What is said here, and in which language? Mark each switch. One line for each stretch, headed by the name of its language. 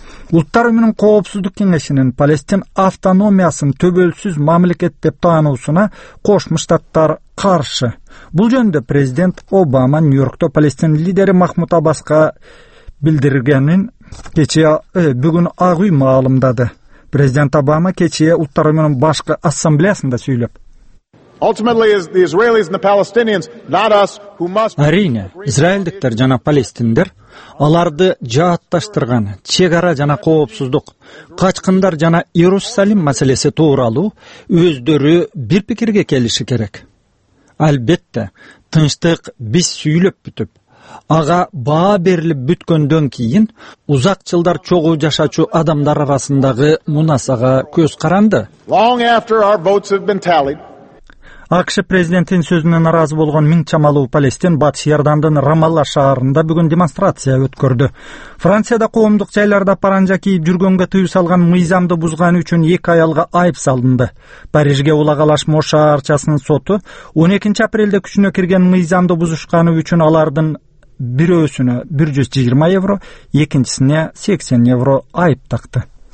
Kyrgyz: Улуттар уюмунун коопсуздук кеңешинин Палестин автономиясын төбөлсүз мамлекет деп таануусуна Кошмо Штаттар каршы. Бул жөнүндө президент Обама Нью-Йоркто Палестин лидери Махмуд Аббаска билдиргенин бүгүн Ак Үй маалымдады. Президент Обама кечээ улуттар уюмунун башкы ассамблеясында сүйлөп:
English: Ultimately is the Israelis and the Palestinians, not us, who must.
Kyrgyz: Арине, израилдиктер жана палестиндер аларды жаатташтырган чек ара жана коопсуздук, качкындар жана Иерусалим маселеси тууралуу өздөрү бир пикирге келиши керек. Албетте, тынчтык биз сүйлөп бүтүп, ага баа берилип бүткөндөн кийин узак жылдар чогуу жашачу адамдар арасындагы мунасага көз каранды.
English: Long after our votes have been tallied.
Kyrgyz: АКШ президентин сөзүнө нааразы болгон миң чамалуу Палестин Батыш Иордандын Рамалла шаарында бүгүн демонстрация өткөрдү. Францияда коомдук жайларда паранжа кийип жүргөнгө тыюу салган мыйзамды бузганы үчүн эки аялга айып салынды. Парижге улагалаш Мо шаарчасынын соту 12 апрелде күчүнө кирген мыйзамды бузушканы үчүн алардын бирөөсүнө 120 евро, экинчисине 80 евро айып такты.